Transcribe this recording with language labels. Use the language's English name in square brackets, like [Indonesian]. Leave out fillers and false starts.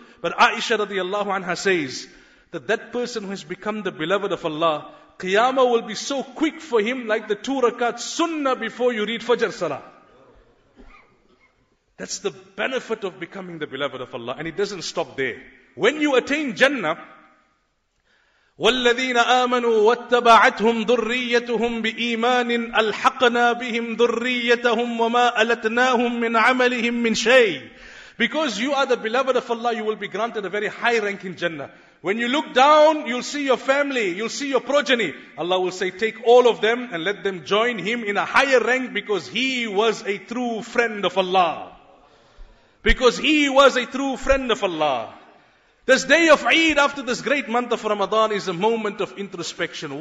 [English] But Aisha radiallahu anha says that that person who has become the beloved of Allah, Qiyamah will be so quick for him like the two rakat sunnah before you read Fajr Salah. That's the benefit of becoming the beloved of Allah. And it doesn't stop there. When you attain Jannah, [Arabic] وَالَّذِينَ آمَنُوا وَاتَّبَعَتْهُمْ ذُرِّيَّتُهُمْ بِإِيمَانٍ أَلْحَقْنَا بِهِمْ ذُرِّيَّتَهُمْ وَمَا أَلَتْنَاهُمْ مِنْ عَمَلِهِمْ مِنْ شَيْءٍ. [English] Because you are the beloved of Allah, you will be granted a very high rank in Jannah. When you look down, you'll see your family, you'll see your progeny. Allah will say, take all of them and let them join him in a higher rank because he was a true friend of Allah. Because he was a true friend of Allah. This day of Eid after this great month of Ramadan is a moment of introspection.